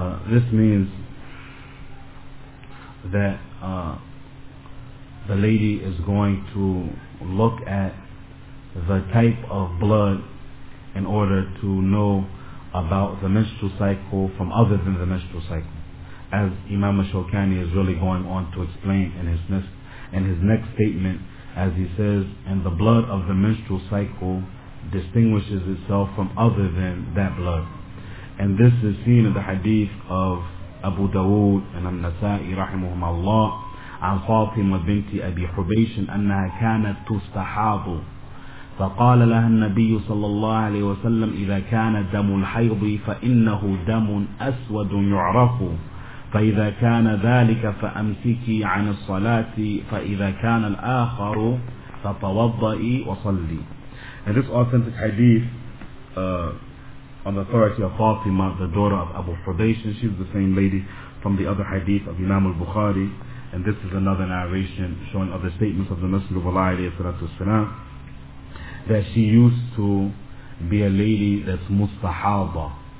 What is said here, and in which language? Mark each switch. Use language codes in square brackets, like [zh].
[en] this means that the lady is going to look at the type of blood in order to know about the menstrual cycle from other than the menstrual cycle, as Imam al-Shawkani is really going on to explain in his next statement, as he says, and the blood of the menstrual cycle distinguishes itself from other than that blood. And this is seen in the hadith of Abu Dawood and An-Nasa'i rahimahum Allah, [ar] عن فاطمة بنت أبي حبيش أنها كانت تستحاض فقال لها النبي صلى الله عليه وسلم إذا كان دم الحيض فإنه دم أسود يعرف فإذا كان ذلك فأمسكي عن الصلاة فإذا كان الآخر فتوضئي وصلي. [en] And this authentic hadith on the authority of Fatima, the daughter of Abu Hubaysh, and she's the same lady from the other hadith of Imam al-Bukhari, and this is another narration showing other statements of the Messenger of Allah alayhi salatu wasalam, that she used to be a lady that's mustahaba.